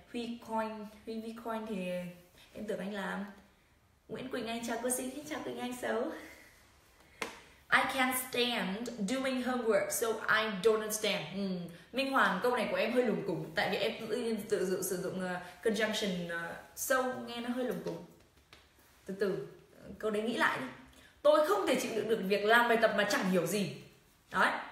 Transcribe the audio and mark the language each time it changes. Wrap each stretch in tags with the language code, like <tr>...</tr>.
<vi>Huy Coin, Huy Coin thì em tưởng anh làm. Nguyễn Quỳnh Anh, chào cô xinh, chào Quỳnh Anh xấu.</vi> <en>I can't stand doing homework, so I don't understand.</en> <vi>Minh Hoàng, câu này của em hơi lủng củng, tại vì em tự sử dụng conjunction so, nghe nó hơi lủng củng. Từ từ, câu đấy nghĩ lại đi. Tôi không thể chịu đựng được việc làm bài tập mà chẳng hiểu gì. Đấy.</vi>